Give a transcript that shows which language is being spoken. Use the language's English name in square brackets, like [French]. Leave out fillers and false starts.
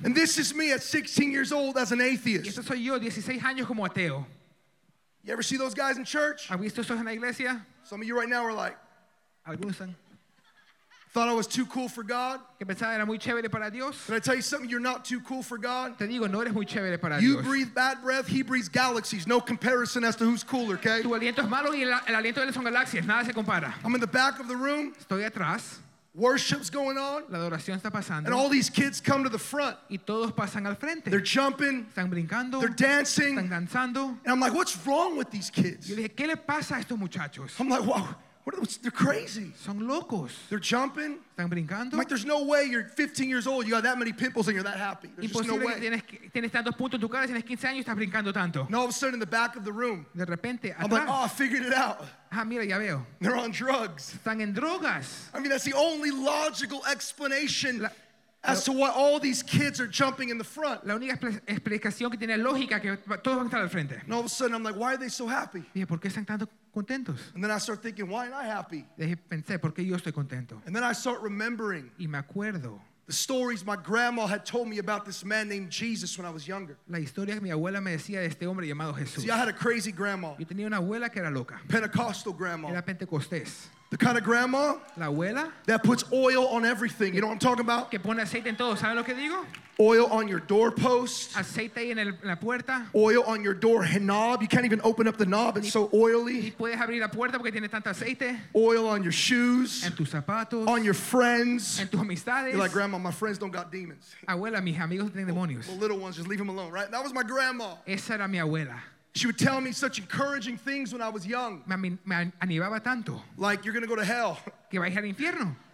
[English] And this is me at 16 years old as an atheist. [Spanish] Y esto soy yo, 16 años como ateo. [English] You ever see those guys in church? [Spanish] ¿Has visto esos en la iglesia? [English] Some of you right now are like, [Spanish] algunos son. [English] Thought I was too cool for God. [Spanish] Que pensaba era muy chévere para Dios. [English] Can I tell you something? You're not too cool for God. [Spanish] Te digo, no eres muy chévere para Dios. [English] You breathe bad breath. He breathes galaxies. No comparison as to who's cooler, okay? [Spanish] Tu aliento es malo y el aliento de él son galaxias. Nada se compara. [English] I'm in the back of the room. [Spanish] Estoy atrás. [English] Worship's going on. [Spanish] La adoración está pasando. [English] And all these kids come to the front. [Spanish] Y todos pasan al frente. [English] They're jumping. [Spanish] Están brincando. [English] They're dancing. [Spanish] Están danzando. [English] And I'm like, what's wrong with these kids? [Spanish] Yo dije, ¿qué le pasa a estos muchachos? [English] I'm like, wow. They're crazy. [Spanish] Son locos. [English] They're jumping. [Spanish] Están brincando. [English] I'm like, there's no way you're 15 years old, you got that many pimples and you're that happy. There's [Spanish] imposible [English] just no way. [Spanish] Tienes tantos puntos en tu cara, tienes 15 años y estás brincando tanto. [English] And all of a sudden in the back of the room. [Spanish] De repente, [English] I'm [Spanish] atrás. [English] Like, oh, I figured it out. [Spanish] Ah, mira, ya veo. [English] They're on drugs. [Spanish] Están en drogas. [English] I mean, that's the only logical explanation. As to why all these kids are jumping in the front. [Spanish] La única explicación que tiene lógica que todos van a estar al frente. [English] And all of a sudden, I'm like, why are they so happy? [Spanish] Dije, ¿por qué están tanto contentos? [English] And then I start thinking, why am I happy? [Spanish] Dije, pensé, ¿por qué yo estoy contento? [English] And then I start remembering. [Spanish] Y me acuerdo. [English] The stories my grandma had told me about this man named Jesus when I was younger. [Spanish] La historia que mi abuela me decía de este hombre llamado Jesús. [English] See, I had a crazy grandma. [Spanish] Yo tenía una abuela que era loca. [English] Pentecostal grandma. [Spanish] Era pentecostés. [English] The kind of grandma [Spanish] la abuela [English] that puts oil on everything. You know what I'm talking about? [Spanish] Que pone aceite en todo. ¿Saben lo que digo? [English] Oil on your doorpost. [Spanish] Aceite ahí en la puerta. [English] Oil on your door knob. You can't even open up the knob. It's so oily. [Spanish] Ni puedes abrir la puerta porque tiene tanto aceite. [English] Oil on your shoes. [Spanish] En tus zapatos. [English] On your friends. [Spanish] En tus amistades. [English] You're like, grandma, my friends don't got demons. [Spanish] Abuela, mis amigos tienen demonios. [English] Well, little ones, just leave them alone, right? That was my grandma. [Spanish] Esa era mi abuela. [English] She would tell me such encouraging things when I was young. [Spanish] Me animaba tanto. [English] Like, you're going to go to hell. [Spanish] Que vais al infierno.